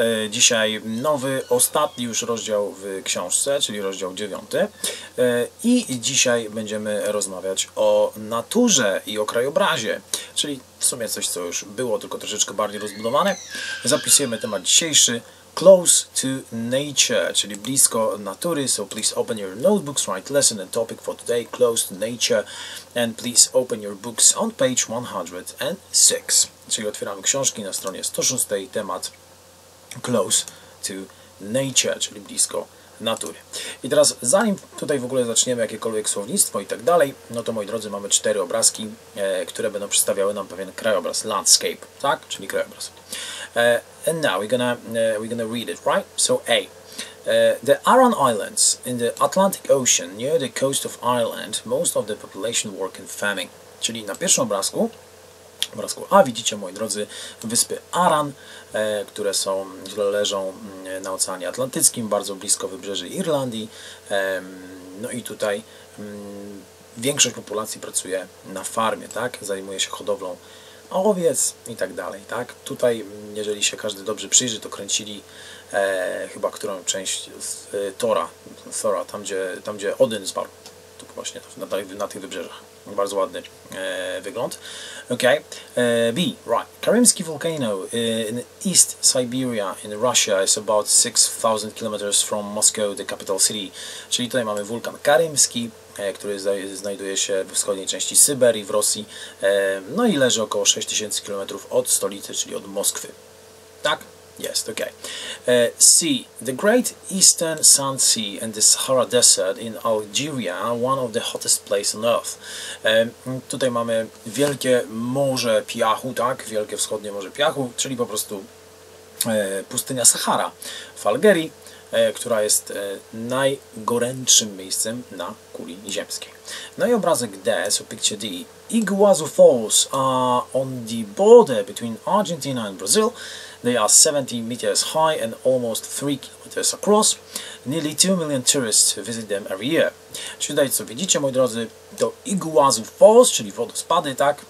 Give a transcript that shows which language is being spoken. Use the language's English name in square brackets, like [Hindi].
[Polish] Dzisiaj nowy, ostatni już rozdział w książce, czyli rozdział dziewiąty. I dzisiaj będziemy rozmawiać o naturze i o krajobrazie, czyli w sumie coś, co już było, tylko troszeczkę bardziej rozbudowane. Zapisujemy temat dzisiejszy. [English] Close to nature, [Polish] czyli blisko natury. [English] So please open your notebooks, write lesson and topic for today, close to nature. And please open your books on page 106. [Polish] Czyli otwieramy książki na stronie 106, temat [English] close to nature, [Polish] czyli blisko natury. I teraz zanim tutaj w ogóle zaczniemy jakiekolwiek słownictwo i tak dalej, no to moi drodzy, mamy cztery obrazki, które będą przedstawiały nam pewien krajobraz, landscape, tak? Czyli krajobraz. [English] And now we're gonna read it, right? So A, the Aran Islands in the Atlantic Ocean near the coast of Ireland, most of the population work in farming. [Polish] Czyli na pierwszym obrazku, obrazku A, widzicie, moi drodzy, wyspy Aran, które są, leżą na Oceanie Atlantyckim, bardzo blisko wybrzeży Irlandii. No i tutaj większość populacji pracuje na farmie, tak? Zajmuje się hodowlą owiec i tak dalej, tak? Tutaj, jeżeli się każdy dobrze przyjrzy, to kręcili chyba którą część z Thora, tam gdzie Odyn zmarł, to właśnie na tych wybrzeżach. Bardzo ładny wygląd. Okay. B, right. [English] Karimski volcano in East Siberia in Russia is about 6,000 kilometers from Moscow, the capital city. [Polish] Czyli tutaj mamy wulkan Karimski, który znajduje się w wschodniej części Syberii, w Rosji. No i leży około 6000 km od stolicy, czyli od Moskwy. Tak? Jest, ok. C. [English] The Great Eastern Sand Sea and the Sahara Desert in Algeria, one of the hottest places on earth. [Polish] Tutaj mamy Wielkie Morze Piachu, tak? Wielkie Wschodnie Morze Piachu, czyli po prostu pustynia Sahara w Algerii, która jest najgorętszym miejscem na kuli ziemskiej. No i obrazek D, [English] so picture D. Iguazu Falls are on the border between Argentina and Brazil. They are 70 meters high and almost 3 kilometers across. Nearly 2 million tourists visit them every year. [Polish] Czyli tutaj, co widzicie, moi drodzy, to Iguazu Falls, czyli wodospady, tak?